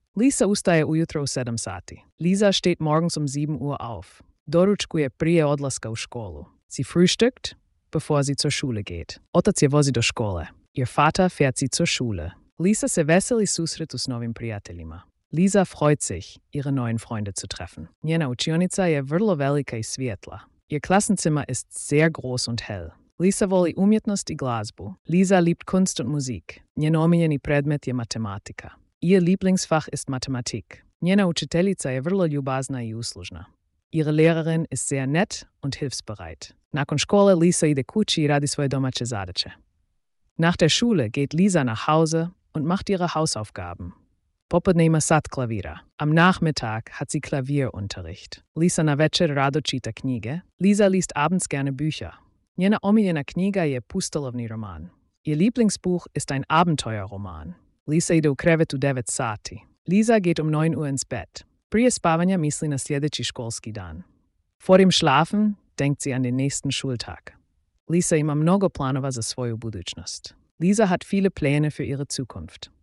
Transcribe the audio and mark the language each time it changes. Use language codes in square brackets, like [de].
[hr] Lisa ustaje ujutro u 7 sati. [de] Lisa steht morgens um 7 Uhr auf. [hr] Doručkuje prije odlaska u školu. [de] Sie frühstückt, bevor sie zur Schule geht. [hr] Otac je vozi do škole. [de] Ihr Vater fährt sie zur Schule. [hr] Lisa se veseli susretu s novim prijateljima. [de] Lisa freut sich, ihre neuen Freunde zu treffen. [hr] Njena učionica je vrlo velika i svjetla. [de] Ihr Klassenzimmer ist sehr groß und hell. [hr] Lisa voli umjetnost i glazbu. [de] Lisa liebt Kunst und Musik. [hr] Njen omiljeni predmet je matematika. [de] Ihr Lieblingsfach ist Mathematik. [hr] Njena učiteljica je vrlo ljubazna i uslužna. [de] Ihre Lehrerin ist sehr nett und hilfsbereit. [hr] Nakon škole Lisa ide kući i radi svoje domaće zadaće. [de] Nach der Schule geht Lisa nach Hause und macht ihre Hausaufgaben. [hr] Popodne ima sat klavira. [de] Am Nachmittag hat sie Klavierunterricht. [hr] Lisa na večer rado čita knjige. [de] Lisa liest abends gerne Bücher. [hr] Njena omiljena knjiga je pustolovni roman. [de] Ihr Lieblingsbuch ist ein Abenteuerroman. [hr] Lisa ide u krevet u 9 sati. [de] Lisa geht um 9 Uhr ins Bett. [hr] Prije spavanja misli na sljedeći školski dan. [de] Vor dem Schlafen denkt sie an den nächsten Schultag. [hr] Lisa ima mnogo planova za svoju budućnost. [de] Lisa hat viele Pläne für ihre Zukunft.